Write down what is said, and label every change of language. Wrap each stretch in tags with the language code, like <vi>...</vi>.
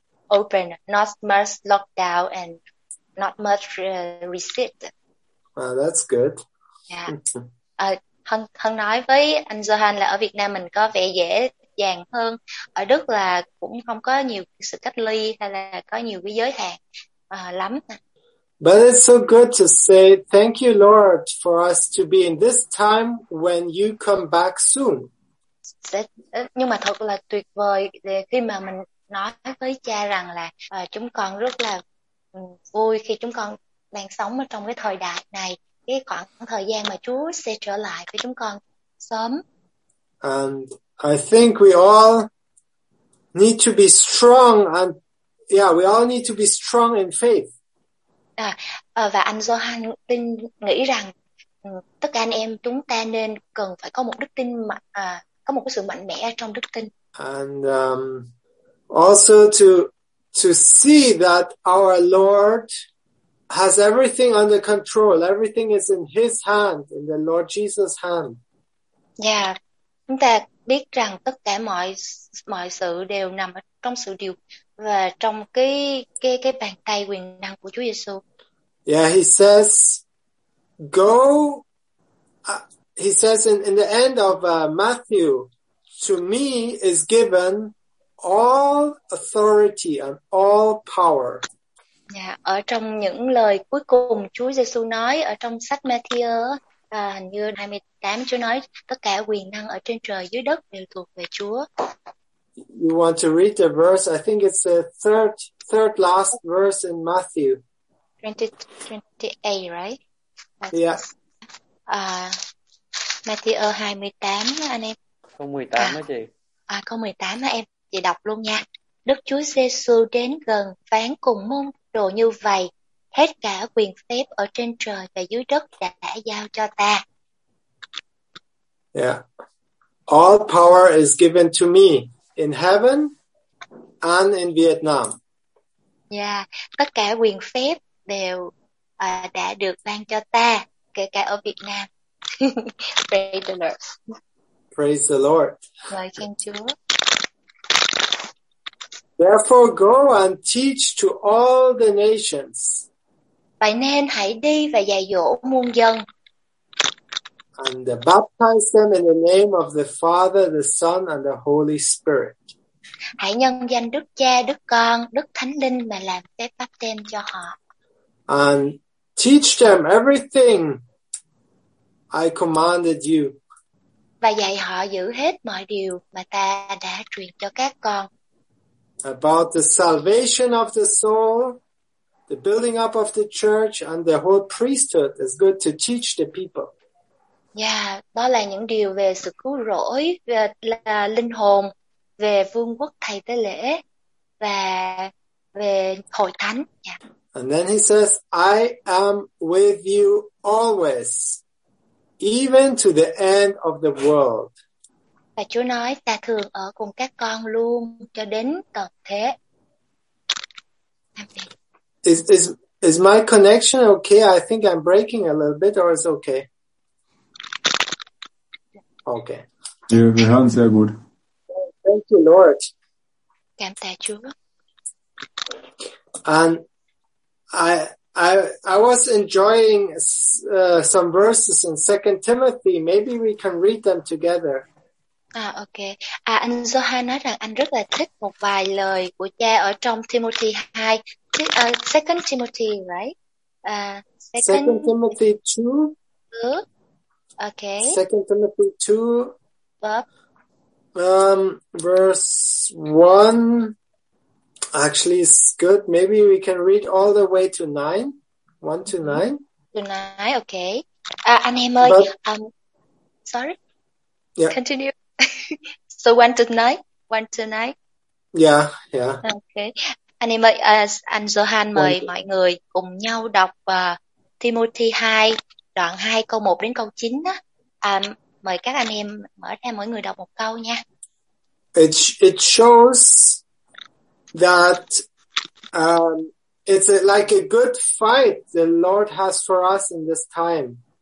<en>Open, not much lockdown and not much restrict. Wow, that's good. Yeah.</en> <vi>Hân nói với anh Johan là ở Việt Nam mình có vẻ dễ dàng hơn. Ở Đức là cũng không có nhiều sự cách ly hay là có nhiều cái giới hạn lắm.</vi> <en>But it's so good to say thank you, Lord, for us to be in this time when you come back soon.</en> <vi>Nhưng mà thật là tuyệt vời khi mà mình nói với cha rằng là chúng con rất là vui khi chúng con đang sống ở trong cái thời đại này, cái khoảng thời gian mà Chúa sẽ trở lại với chúng con sớm.</vi> <en>And I think we all need to be strong and yeah, we all need to be strong in faith.</en> <vi>Và anh Johan tin nghĩ rằng tất cả anh em chúng ta nên cần phải có một đức tin mạnh, có một cái sự mạnh mẽ trong đức tin.</vi> <en>And also to see that our Lord has everything under control. Everything is in His hand, in the Lord Jesus' hand.</en> <vi>Yeah, chúng ta biết rằng tất cả mọi sự đều nằm trong sự điều và trong cái bàn tay quyền năng của Chúa Giêsu.</vi> <en>Yeah, He says, "Go." He says in the end of Matthew, "To me is given all authority and all power."</en> <vi>Yeah, ở trong những lời cuối cùng Chúa Giêsu nói ở trong sách Matthew, hình như 28, Chúa nói tất cả quyền năng ở trên trời dưới đất đều thuộc về Chúa.</vi> <en>You want to read the verse? I think it's the third last verse in Matthew. 28, right? Yeah.</en> <vi>Matthew 28, anh em. Câu 18 đó chị. Câu 18 đó em. Chị đọc luôn nha. Đức Chúa Giêsu đến gần phán cùng môn đồ như vậy: hết cả quyền phép ở trên trời và dưới đất đã giao cho ta.</vi> <en>Yeah. All power is given to me in heaven and in Vietnam.</en> <vi>Yeah, tất cả quyền phép đều đã được ban cho ta, kể cả ở Việt Nam.</vi> <en>Praise the Lord. Praise the Lord.</en> <vi>Lời khen Chúa.</vi> <en>Therefore, go and teach to all the nations.</en> <vi>Vậy nên hãy đi và dạy dỗ muôn dân.</vi> <en>And baptize them in the name of the Father, the Son, and the Holy Spirit.</en> <vi>Hãy nhân danh Đức Cha, Đức Con, Đức Thánh Linh mà làm phép báp têm cho họ.</vi> <en>And teach them everything I commanded you.</en> <vi>Và dạy họ giữ hết mọi điều mà ta đã truyền cho các con.</vi> <en>About the salvation of the soul, the building up of the church and the whole priesthood is good to teach the people.</en> <vi>Yeah, đó là những điều về sự cứu rỗi, về là linh hồn, về vương quốc thầy tế lễ và về hội thánh.</vi> <en>Yeah. And then he says, I am with you always, even to the end of the world.</en> <vi>Và Chúa nói, ta thường ở cùng các con luôn cho đến tận thế.</vi> <en>Is my connection okay? I think I'm breaking a little bit, or is it okay? Okay.</en> <de>Yeah, wir hören sehr gut.</de> <en>Thank you, Lord.</en> <vi>Cảm tạ Chúa.</vi> <en>And I was enjoying some verses in 2 Timothy. Maybe we can read them together. Ah, okay.</en> <vi>Ah, anh Johan nói rằng anh rất là thích một vài lời của cha ở trong Timothy 2.</vi> <en>Second Timothy, right? Second Timothy 2. Okay. Second Timothy 2. Bob. Verse 1. Actually, it's good. Maybe we can read all the way to 9. 1 to 9. To 9, okay.</en> <vi>Anh em ơi,</vi> <en>sorry? Yeah. Continue. So 1 to 9? 1 to 9? Yeah, yeah. Okay.</en> <vi>Anh em ơi, anh Johan mời mọi người cùng nhau đọc Timothy 2, đoạn 2, câu 1 đến câu 9. Đó. Mời các anh em mở ra mỗi người đọc một câu nha.</vi> <en>It shows that it's like a good fight the Lord has for us in this time.</en>